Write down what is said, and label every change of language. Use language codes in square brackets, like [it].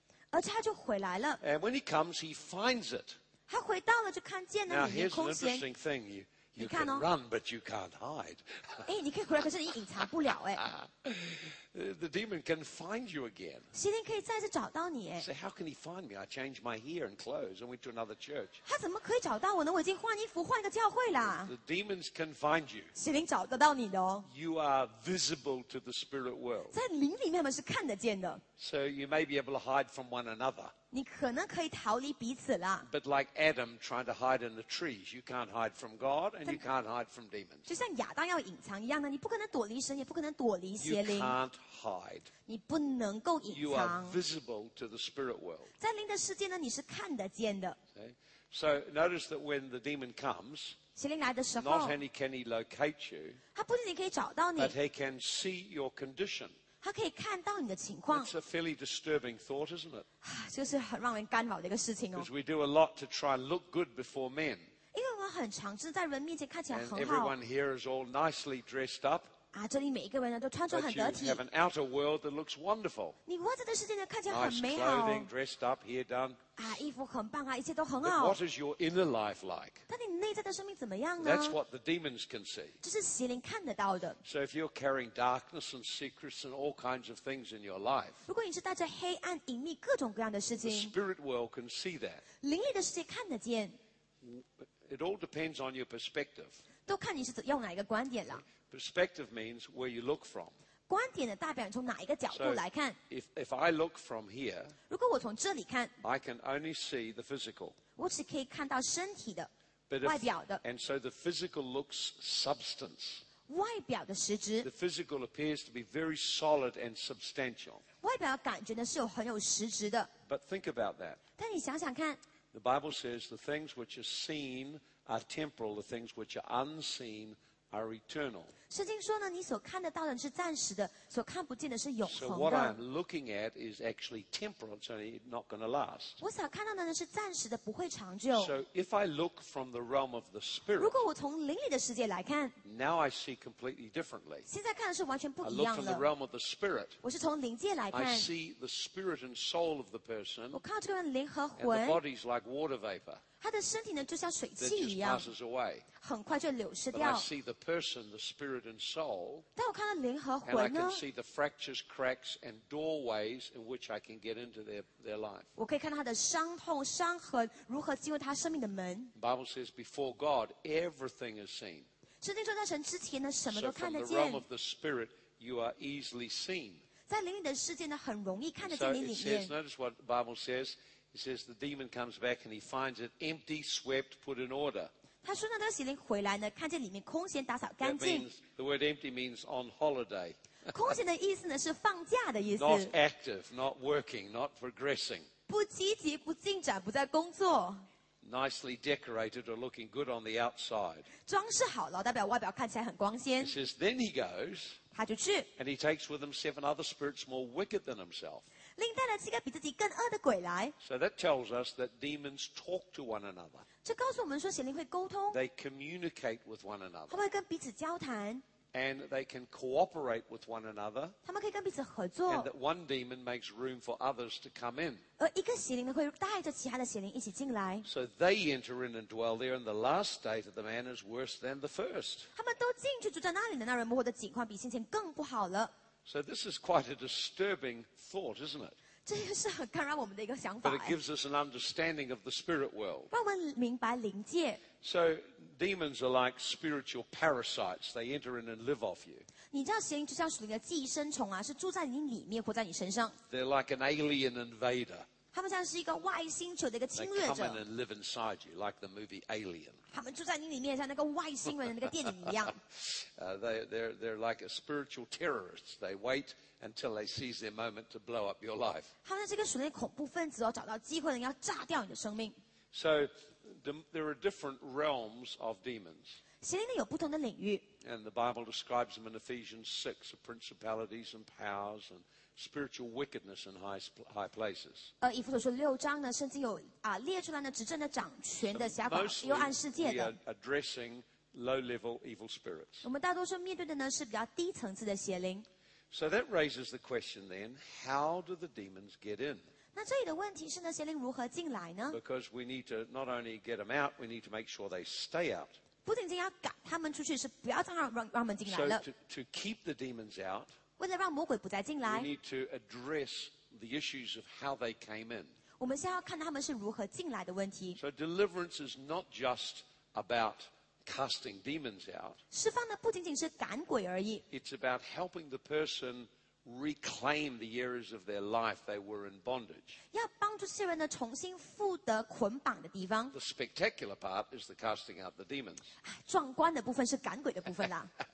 [zh] 而且他就回来了。 [en] And when he comes, he finds it. [zh] 他回到了就看见了里面空闲。 [en] Now here's an interesting thing. You can run, but you can't hide. [zh] 哎，你可以回来，可是你隐藏不了哎。 [en] The demon can find you again. [zh] 邪灵可以再次找到你哎。 [en] So how can he find me? I changed my hair and clothes and went to another church. [zh] 他怎么可以找到我呢？我已经换衣服，换一个教会啦。 [en] The demons can find you. [zh] 邪灵找得到你的哦。 [en] You are visible to the spirit world. [zh] 在灵里面我们是看得见的。 [en] So you may be able to hide from one another. [zh] 你可能可以逃离彼此啦。 [en] But like Adam trying to hide in the trees, you can't hide from God and you can't hide from demons. [zh] 就像亚当要隐藏一样的，你不可能躲离神，也不可能躲离邪灵。 [en] You can't hide. [zh] 你不能够隐藏。 [en] You are visible to the spirit world. [zh] 在灵的世界呢，你是看得见的。 [en] So notice that when the demon comes, [zh] 邪灵来的时候 [en] ，not only can he locate you, [zh] 他不仅仅可以找到你 [en] ，but he can see your condition. [zh] 他可以看到你的情况。 [en] It's a fairly disturbing thought, isn't it? [zh] 就是很让人干扰的一个事情哦。 [en] Because we do a lot to try and look good before men. [zh] 因为我们很常是在人面前看起来很好。 [en] And everyone here is all nicely dressed up. [zh] 啊，这里每一个人呢都穿着很得体。 [en] But you have an outer world that looks wonderful. [zh] 你外在的世界呢看起来很美好。 [en] Nice clothing, dressed up, hair done. [zh] 啊，衣服很棒啊，一切都很好。 [en] But what is your inner life like? [zh] 但你内在的生命怎么样呢 [en] ？That's what the demons can see. [zh] 这是邪灵看得到的。 [en] So if you're carrying darkness and secrets and all kinds of things in your life, [zh] 如果你是带着黑暗、隐秘各种各样的事情 [en] ，the spirit world can see that. [zh] 灵力的世界看得见。 [en] It all depends on your perspective. [zh] 都看你是用哪一个观点了。 [en] Perspective means where you look from. [zh] 观点呢，代表你从哪一个角度来看。 [en] So if I look from here, [zh] 如果我从这里看 [en] ，I can only see the physical. [zh] 我只可以看到身体的。外表的 [en] and so the physical looks substance. [zh] 外表的实质 [en] the physical appears to be very solid and substantial. [zh] 外表感觉呢是有很有实质的 [en] but think about that. [zh] 但你想想看 [en] the Bible says the things which are seen are temporal, the things which are unseen are eternal. [zh] 圣经说呢，你所看得到的是暂时的，所看不见的是永恒的。 [en] So what I'm looking at is actually temporal, it's only not going to last. [zh] 我想看到的呢是暂时的，不会长久。 [en] So if I look from the realm of the spirit, [zh] 如果我从灵里的世界来看 [en] ，now I see completely differently. [zh] 现在看的是完全不一样了。 [en] I look from the realm of the spirit. [zh] 我是从灵界来看。 [en] I see the spirit and soul of the person. [zh] 我看到这个人灵和魂。 [en] And the body's like water vapor. [zh] 他的身体呢，就像水汽一样，很快就流失掉。 [en] But I see the person, the spirit and soul. [zh] 但我看到灵和魂呢。 [en] And I can see the fractures, cracks, and doorways in which I can get into their life. [zh] 我可以看到他的伤痛、伤痕如何进入他生命的门。 [en] The Bible says, before God, everything is seen. [zh] 圣经说，在神之前呢，什么都看得见。 [en] So from the realm of the spirit, you are easily seen. [zh] 在灵里的世界呢，很容易看得见你里面。 [en] So it says, notice what the Bible says. He says the demon comes back and he finds it empty, swept, put in order. [zh] 他说那个邪灵回来呢，看见里面空闲，打扫干净。 [en] That means the word empty means on holiday. [zh] 空闲的意思呢是放假的意思。 [en] Not active, not working, not progressing. [zh] 不积极，不进展，不在工作。 [en] nicely decorated or looking good on the outside. [zh] 装饰好了，代表外表看起来很光鲜。 [en] He says, then he goes, [zh] 他就去 [en] and he takes with him seven other spirits more wicked than himself. [zh] 另带了七个比自己更恶的鬼来。 [en] So that tells us that demons talk to one another. [zh] 这告诉我们说邪灵会沟通。 [en] They communicate with one another. [zh] 他们会跟彼此交谈。 [en] And they can cooperate with one another. [zh] 他们可以跟彼此合作。 [en] And that one demon makes room for others to come in. [zh] 而一个邪灵呢，会带着其他的邪灵一起进来。 [en] So they enter in and dwell there, and the last state of the man is worse than the first. [zh] 他们都进去住在那里的那人，魔鬼的境况比先前更不好了。 [en] So this is quite a disturbing thought, isn't it? [zh] 这个是很干扰我们的一个想法。 [en] But it gives us an understanding of the spirit world. [zh] 让我们明白灵界。 [en] So demons are like spiritual parasites. They enter in and live off you. [zh] 你知道邪灵就像属灵的寄生虫啊，是住在你里面，活在你身上。 [en] They're like an alien invader. [zh] 他们像是一个外星球的一个侵略者。 [en] They come in and live inside you, like the movie Alien. [zh] 他们住在你里面，像那个外星人的那个电影一样。 [en] they're like a spiritual terrorist. They wait. Until they seize their moment to blow up your life. [zh] 他们这个属灵恐怖分子哦，找到机会呢，要炸掉你的生命。 [en] So, there are different realms of demons. [zh] 邪灵呢有不同的领域。 [en] And the Bible describes them in Ephesians 6, of principalities and powers and spiritual wickedness in high places. [zh] 以弗所书六章呢，甚至有啊列出来呢执政的掌权的辖管幽暗世界的。 [en] Mostly, we are addressing low-level evil spirits. [zh] 我们大多数面对的呢是比较低层次的邪灵。 [en] So that raises the question then, how do the demons get in? [zh] 那这里的问题是呢，邪灵如何进来呢？ [en] Because we need to not only get them out, we need to make sure they stay out. [zh] 不仅仅要赶他们出去，是不要再让他们进来了。 [en] So to keep the demons out, [zh] 为了让魔鬼不再进来， [en] we need to address the issues of how they came in. [zh] 我们先要看他们是如何进来的问题。 [en] So deliverance is not just aboutcasting demons out. [zh] 释放的不仅仅是赶鬼而已。 [en] It's about helping the person reclaim the areas of their life they were in bondage. [zh] 要帮助这些人呢重新复得捆绑的地方。 [en] The spectacular part is the casting out the demons. [zh] 壮观的部分是赶鬼的部分啦。